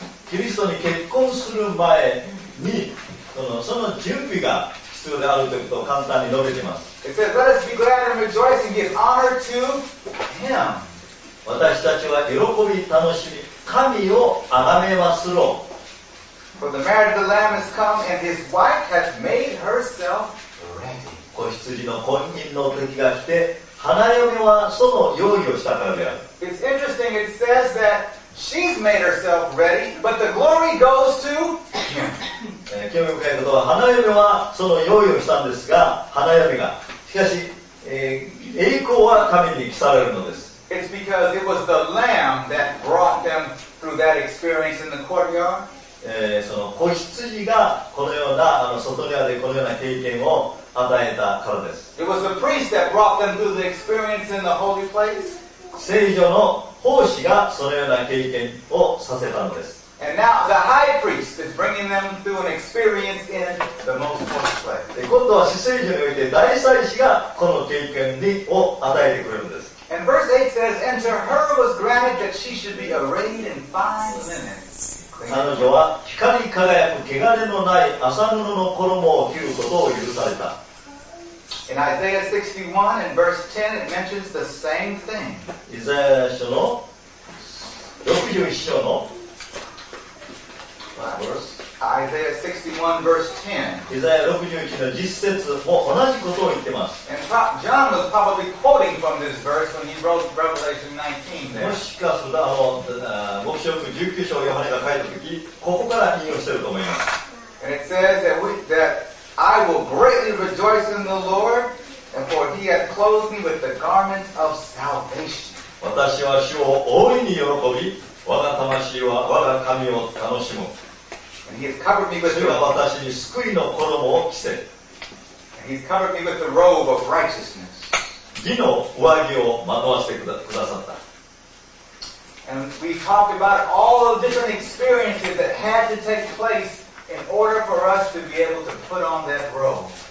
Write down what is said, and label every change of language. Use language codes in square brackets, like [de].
[ja] キリストに結婚する前に、その準備が必要であるということを簡単に述べています。 [en] It says, Let us be glad and rejoice and give honor to him. [ja] 私たちは喜び楽しみ神を崇めまするろ。 [en] For the marriage of the Lamb has come, and his wife has made herself ready. [ja] 子羊の婚姻の時が来て、花嫁はその用意をしたからである。 [en] It's interesting, it says that she's made herself ready, but the glory goes to him. [ja] 興味深いことは、花嫁はその用意をしたんですが、花嫁が。しかし、栄光は神に帰されるのです。 [en] It's because it was the Lamb that brought them through that experience in the courtyard. [ja] その子羊がこのような外庭でこのような経験を与えたからです。 [en] It was the priest that brought them through the experience in the holy place. [ja] 聖所の奉仕がそのような経験をさせたのです。 [en] And now the high priest is bringing them through an experience in the most holy place. [ja] で今度は施聖所において大祭司がこの経験を与えてくれるんです。 [en] And verse 8 says, And to her was granted that she should be arrayed in fine linen. [ja] 彼女は光り輝く汚れのない麻布の衣を着ることを許された。 [en] In Isaiah 61 and verse 10 it mentions the same thing. [ja] イザヤ書の61章の [en] Isaiah 61 verse 10 [ja] イザヤ61の10節も同じことを言っています。 [en] And John was probably quoting from this verse when he wrote Revelation 19 [ja] もしかすると黙示録19章ヨハネが書いたときここから引用していると思います。 [en] And it says that, I will greatly rejoice in the Lord, and for he hath clothed me with the garment of salvation. [ja] 私は主を大いに喜び、我が魂は我が神を楽しむ。 [en] He has covered me with [ja] 主は私に救いの衣を着せ。 [en] And he's covered me with the robe of righteousness. [ja] 義の上着をまとわせてくださった。 [en] And we talked about all the different experiences that had to take place in order for us to be able to put on that robe.